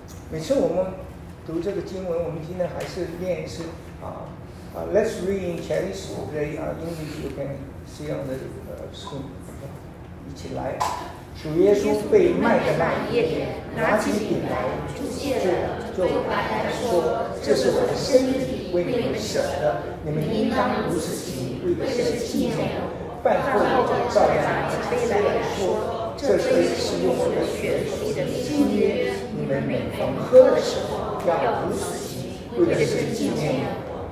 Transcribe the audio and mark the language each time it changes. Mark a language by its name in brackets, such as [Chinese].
[Chinese] 每次我们读这个经文，我们今天还是念一次啊。 [English] Let's read in Chinese today. English, you can see on the screen. [Chinese] 一起来。主耶稣被卖的那夜，拿起饼来，祝谢了，就把它说：“ 这是我的身体，为你们舍的，你们应当如此行，为的是纪念我。” 半后照样杯来说，这杯是用我的血洗的新约，你们每逢喝的时候要如此行，为的是纪念我。